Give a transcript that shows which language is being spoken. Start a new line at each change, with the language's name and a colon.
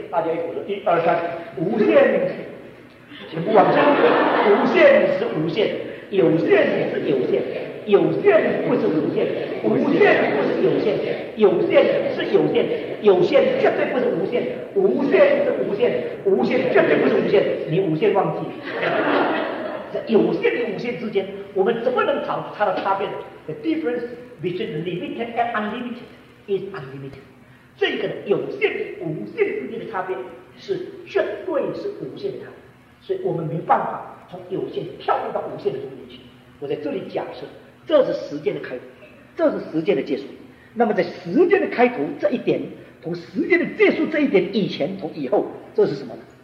Chinese: 大家一起说，一二三，无限，请不往下，无限是无限，有限是有限，有限不是无限，无限不是有限，有限是有限，有限绝对不是无限，无限是无限，无限绝对不是无限，你无限忘记。有限与无限之间，我们怎么能找出它的差别呢？
English: The difference between limited and unlimited is unlimited。
Chinese: 这个有限与无限之间的差别是绝对是无限的差别，所以我们没办法从有限跳入到无限的中间去。我在这里假设这是时间的开头，这是时间的结束，那么在时间的开头这一点同时间的结束这一点以前同以后，这是什么呢？